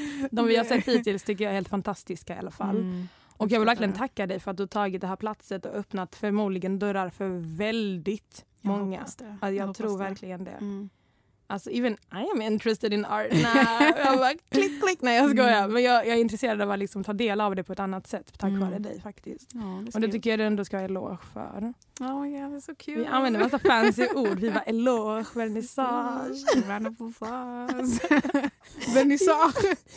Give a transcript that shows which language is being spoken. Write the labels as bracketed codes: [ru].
[sv] De vi har sett hittills tycker jag är helt fantastiska i alla fall. Och jag vill verkligen tacka dig för att du tagit det här platset och öppnat förmodligen dörrar för väldigt många. Jag tror det. Verkligen det. [en] Alltså, even I am interested in art now. [sv] Jag bara, klick, klick. Nej, jag skojar. Men jag är intresserad av att liksom ta del av det på ett annat sätt, tack vare dig faktiskt. Ja, och det tycker jag ändå ska ha eloge för. [en] Oh my god, [sv] det är så kul. Vi använder massa [en] fancy [sv] ord. Vi bara, eloge, vernissage. Vernissage. Vernissage.